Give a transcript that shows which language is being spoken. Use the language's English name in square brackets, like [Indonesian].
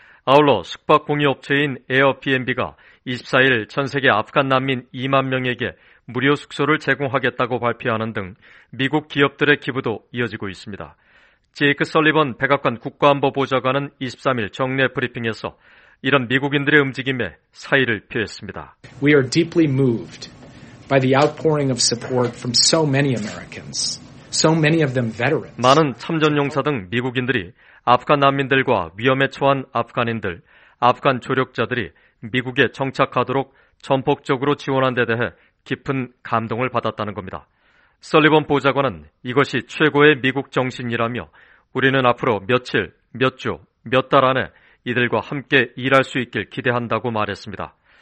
[Korean] 아울러 숙박 공유업체인 에어비앤비가 24일 전 세계 아프간 난민 2만 명에게 무료 숙소를 제공하겠다고 발표하는 등 미국 기업들의 기부도 이어지고 있습니다. 제이크 설리번 백악관 국가안보보좌관은 23일 정례 브리핑에서 이런 미국인들의 움직임에 사의를 표했습니다. [English] We are deeply moved by the outpouring of support from so many Americans, so many of them veterans. [Korean] 많은 참전용사 등 미국인들이 아프간 난민들과 위험에 처한 아프간인들, 아프간 조력자들이 미국에 정착하도록 전폭적으로 지원한 데 대해 깊은 감동을 받았다는 겁니다. 설리번 보좌관은 이것이 최고의 미국 정신이라며 우리는 앞으로 며칠, 몇 주, 몇 달 안에 이들과 함께 일할 수 있길 기대한다고 말했습니다.